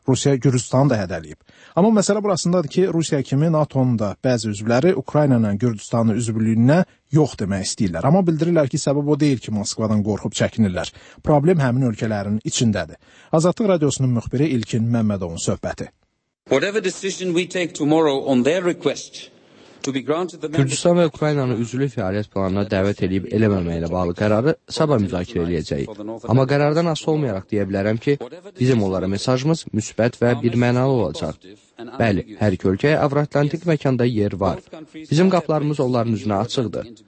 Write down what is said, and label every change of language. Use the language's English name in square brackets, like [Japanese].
[Azerbaijani] Rusiya Gürcüstanı da hədələyib. Amma məsələ burasındadır ki, Rusiya kimi NATO-nun da bəzi üzvləri Ukrayna ilə Gürcüstanın üzvlüyünə yox demək istəyirlər. Amma bildirirlər ki, səbəb o deyil ki, Moskvadan qorxub çəkinirlər. Problem həmin ölkələrin içindədir. Azadlıq Radiosunun müxbiri İlkin Məmmədovun söhbəti. [English] Whatever decision we take tomorrow on their request. [Azerbaijani] Gürcüstan və Ukraynanı üzvlük fəaliyyət planına dəvət edib eləməməklə bağlı qərarı sabah müzakirə edəcəyik. Amma qərardan asılı olmayaraq deyə bilərəm ki, bizim onlara mesajımız müsbət və birmənalı olacaq. Bəli, hər iki ölkəyə Avroatlantik məkanda yer var. Bizim qapılarımız onların üzünə açıqdır.